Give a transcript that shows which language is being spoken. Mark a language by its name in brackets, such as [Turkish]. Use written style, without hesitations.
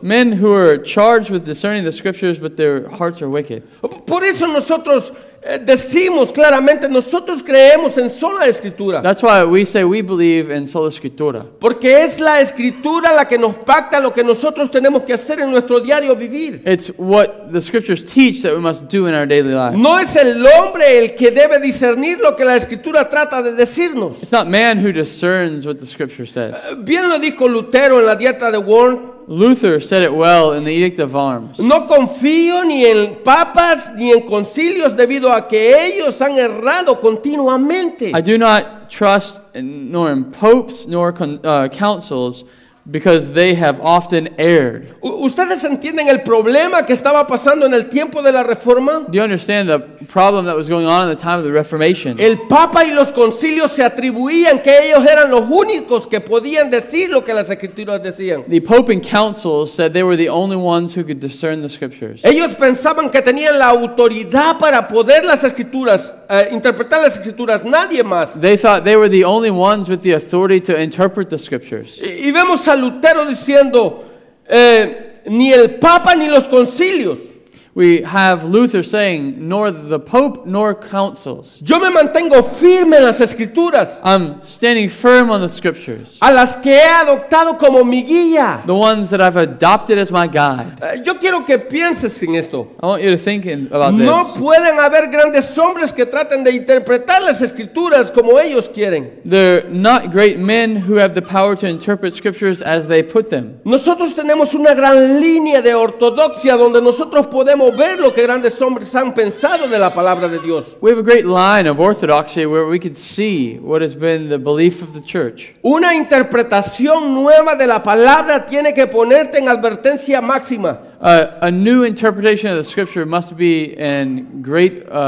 [English] Men who are charged with discerning the scriptures, but their hearts are wicked. [Spanish] Por eso nosotros decimos claramente, nosotros creemos en sola escritura. [English] That's why we say we believe in sola escritura. [Spanish] Porque es la escritura la que nos pacta lo que nosotros tenemos que hacer en nuestro diario vivir. [English] It's what the scriptures teach that we must do in our daily life. [Spanish] No es el hombre el que debe discernir lo que la escritura trata de decirnos. [English] It's not man who discerns what the scripture says. [Spanish] Bien lo dijo Lutero en la dieta de Juan. [English] Luther said it well in the Edict of Arms. [Spanish] No confío ni en papas ni en concilios debido a que ellos han errado continuamente. [English] I do not trust nor in popes nor councils because they have often erred. [Spanish] ¿Ustedes entienden el problema que estaba pasando en el tiempo de la Reforma? [English] Do you understand the problem that was going on in the time of the Reformation? [Spanish] El Papa y los concilios se atribuían que ellos eran los únicos que podían decir lo que las Escrituras decían. [English] The Pope and councils said they were the only ones who could discern the Scriptures. [Spanish] Ellos pensaban que tenían la autoridad para poder las Escrituras, interpretar las Escrituras, nadie más. [English] They thought they were the only ones with the authority to interpret the Scriptures. [Spanish] Y vemos a Lutero diciendo ni el Papa ni los concilios. [English] We have Luther saying nor the Pope nor councils. [Spanish] Yo me mantengo firme en las escrituras. [English] I'm standing firm on the scriptures. [Spanish] A las que he adoptado como mi guía. [English] The ones that I've adopted as my guide. [Spanish] Yo quiero que pienses en esto. [English] I want you to think about no this. [Spanish] No pueden haber grandes hombres que traten de interpretar las escrituras como ellos quieren. [English] They're not great men who have the power to interpret scriptures as they put them. [Spanish] Nosotros tenemos una gran línea de ortodoxia donde nosotros podemos mover lo que grandes hombres han pensado de la palabra de Dios. [English] We have a great line of orthodoxy where we can see what has been the belief of the church. [Spanish] Una interpretación nueva de la palabra tiene que ponerte en advertencia máxima. [English] A new interpretation of the scripture must be in great